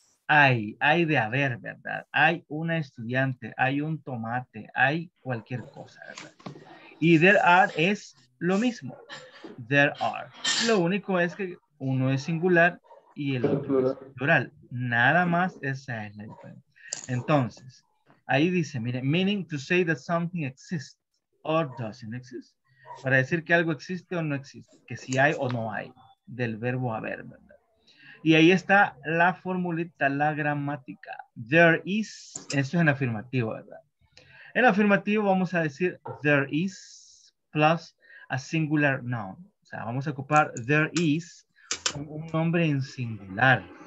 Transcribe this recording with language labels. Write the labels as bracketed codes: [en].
[es] Hay de haber, ¿verdad? Hay una estudiante, hay un tomate, hay cualquier cosa, ¿verdad? Y [en] there are [es] es lo mismo. [en] There are. [es] Lo único es que uno es singular y el otro es plural. Nada más, esa es la diferencia. Entonces, ahí dice, mire, [en] meaning to say that something exists. Or doesn't exist. [es] Para decir que algo existe o no existe. Que si hay o no hay. Del verbo haber, ¿verdad? Y ahí está la formulita, la gramática. [en] There is. [es] Eso es en afirmativo, ¿verdad? En afirmativo vamos a decir [en] there is plus a singular noun. [es] O sea, vamos a ocupar [en] there is [es] un nombre en singular.